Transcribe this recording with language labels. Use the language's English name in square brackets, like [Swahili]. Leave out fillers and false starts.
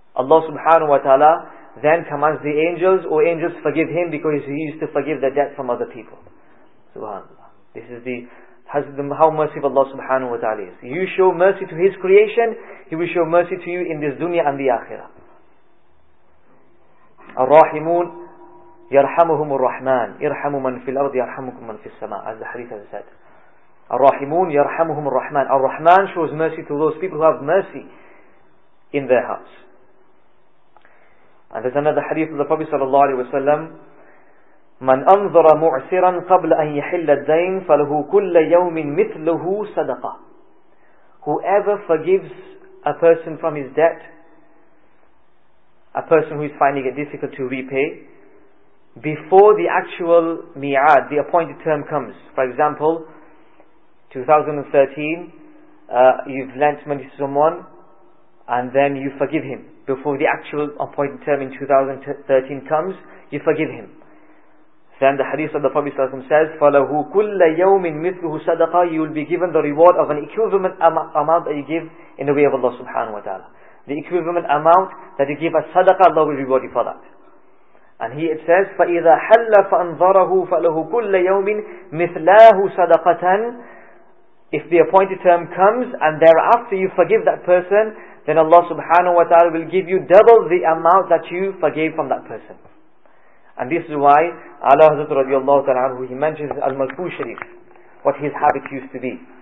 [English] Allah subhanahu wa ta'ala then commands the angels, O angels, forgive him because he used to forgive the debt from other people. SubhanAllah. This is how mercy of Allah subhanahu wa ta'ala is. You show mercy to his creation, he will show mercy to you in this dunya and the akhirah. [Arabic] الرَّاحِمُونَ يرحمهم الرحمن ارحم من في الأرض يرحمكم من في السماء, [English] as the hadith has said. [Arabic] الرحمون يرحمهم الرحمن, [English] الرحمن shows mercy to those people who have mercy in their hearts. And there's another hadith of the Prophet [Arabic] صلى الله عليه وسلم, من أنظر معسرا قبل أن يحل الدين فله كل يوم مثله صدقة. [English] Whoever forgives a person from his debt, a person who is finding it difficult to repay, before the actual mi'ad, the appointed term comes. For example, 2013, you've lent money to someone and then you forgive him. Before the actual appointed term in 2013 comes, you forgive him. Then the hadith of the Prophet ﷺ says, [Arabic] فَلَهُ كُلَّ يَوْمٍ مِثْلُهُ صَدَقًا, [English] you will be given the reward of an equivalent amount that you give in the way of Allah subhanahu wa ta'ala. The equivalent amount that you give as sadaqah, Allah will reward you for that. And here it says, [Arabic] فَإِذَا حَلَّ فَأَنْظَرَهُ فَلَهُ كُلَّ يَوْمٍ مِثْلَاهُ صَدَقَةً. [English] If the appointed term comes and thereafter you forgive that person, then Allah subhanahu wa ta'ala will give you double the amount that you forgave from that person. And this is why Allah Hazrat radiallahu ta'ala anhu, he mentions Al-Malkul Sharif, what his habit used to be.